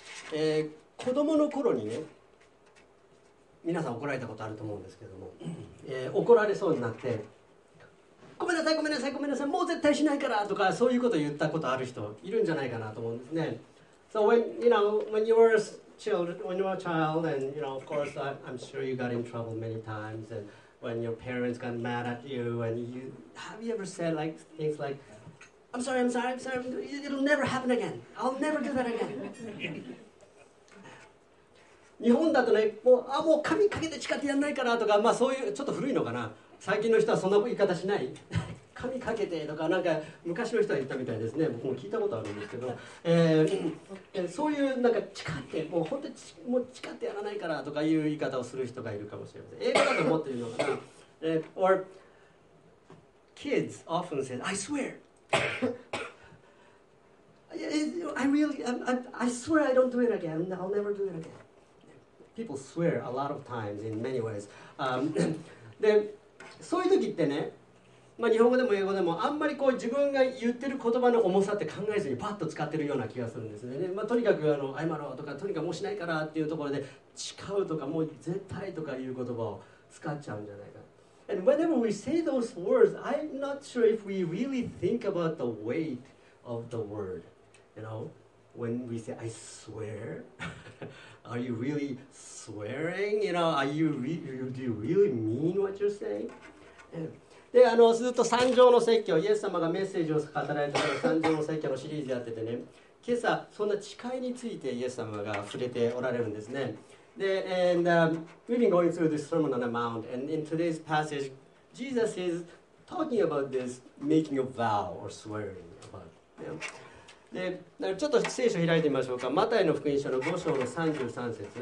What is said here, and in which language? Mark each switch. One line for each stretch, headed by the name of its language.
Japanese: 子供の頃にね、皆さん怒られたことあると思うんですけども、怒られそうになって、ごめんなさいごめんなさいごめんなさい、もう絶対しないからとか、そういうことを言ったことある人いるんじゃないかなと思うんですね。
English: So when you know, when you were a child, and you know, of course, I'm sure you got in trouble many times, and when your parents got mad at you, and you have you ever said like things like, I'm sorry, I'm sorry, I'm sorry, it'll never happen again, I'll never do that again.
Japanese: 日本だとね、もう、もう髪かけて誓ってやんないかなとか、まあそういう、ちょっと古いのかな。最近の人はそんな言い方しない。髪かけてとか、なんか昔の人は言ったみたいですね。僕も聞いたことあるんですけど。そういう、なんか誓って、もう本当にもう誓ってやらないからとかいう言い方をする人がいるかもしれません。英語だと思っているのかな。
English: or, kids often say, I swear. I swear I don't do it again. I'll never do it again. People swear a lot of times in many ways.
Japanese: で、そういう時ってね、まあ、日本語でも英語でもあんまりこう自分が言ってる言葉の重さって考えずにパッと使ってるような気がするんですね。まあ、とにかくあの謝ろうとか、とにかくもうしないからっていうところで誓うとか、もう絶対とかいう言葉を使っちゃうんじゃないか。
English: And whenever we say those words, I'm not sure if we really think about the weight of the word. You know, when we say I swear, Are you really swearing? You know, do you really mean what you're saying?
Japanese: で、あのずっと三条の説教、イエス様がメッセージを語られた三条の説教のシリーズやっててね、今朝そんな誓いについてイエス様が触れておられるんですね。
English: で、and we've been going through this Sermon on the Mount, and in today's passage, Jesus is talking about this making a vow or swearing about. Yeah.
Japanese: で、ちょっと聖書開いてみましょうか。マタイの福音書の5章の33節。